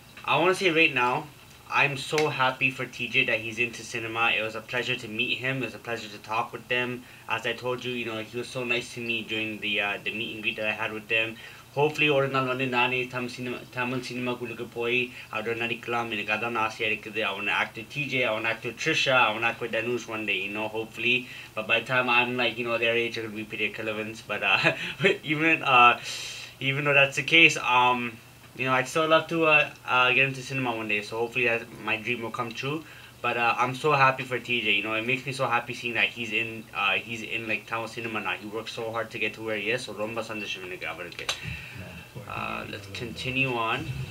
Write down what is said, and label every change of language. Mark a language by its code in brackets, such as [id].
[en] I want to say right now, I'm so happy for TJ that he's into cinema. It was a pleasure to meet him. It was a pleasure to talk with them. As I told you, you know, he was so nice to me during the meet and greet that I had with them. Hopefully, [ta] ஒரு நாள் வந்து நானே தமிழ் சினிமாக்குள்ளுக்கு போய் அவரோட நடிக்கலாம், எனக்கு அதான் ஆசையாக இருக்குது. [en] அவன் actor TJ, அவன் actor Trisha, அவன் actor Dhanush one day, you know, hopefully. But by time I'm like you know their age will be [ta] பெரிய கிளவன்ஸ். [en] But even even that's case, you know, I'd still love to get into cinema one day, so hopefully that my dream will come true. But I'm so happy for TJ. You know, it makes me so happy seeing that he's in like Tamil cinema now. He worked so hard to get to where he is. So [ta] romba sandesham enikku avarukku. [en] Let's continue on.